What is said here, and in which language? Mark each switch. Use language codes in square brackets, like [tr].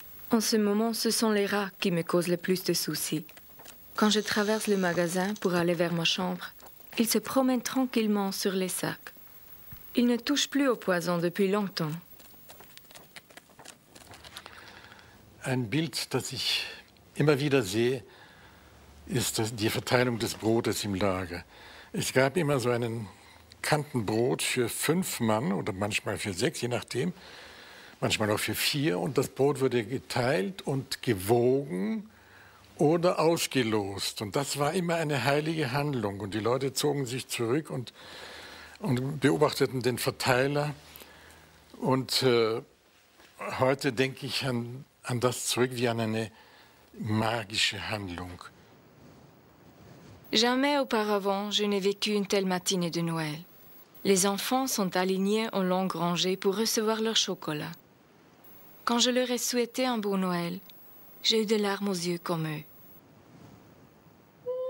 [fr] En ce moment, ce sont les rats qui me causent le plus de soucis. Quand je traverse le magasin pour aller vers ma chambre, ils se promènent tranquillement sur les sacs. Ils ne touchent plus au poison depuis longtemps. [de] Un Bild, das ich immer wieder sehe, ist die Verteilung des Brotes im Lager. Es gab immer so einen Kantenbrot für fünf Mann oder manchmal für sechs, je nachdem. Manchmal auch für vier und das Brot wurde geteilt und gewogen oder ausgelost. Und das war immer eine heilige Handlung und die Leute zogen sich zurück und beobachteten den Verteiler. Und heute denke ich an das zurück wie an eine magische Handlung. [fr] Jamais auparavant je n'ai vécu une telle matinée de Noël. Les enfants sont alignés en longue rangée pour recevoir leur chocolat. Quand je leur ai souhaité un bon Noël, j'ai eu des larmes aux yeux comme eux.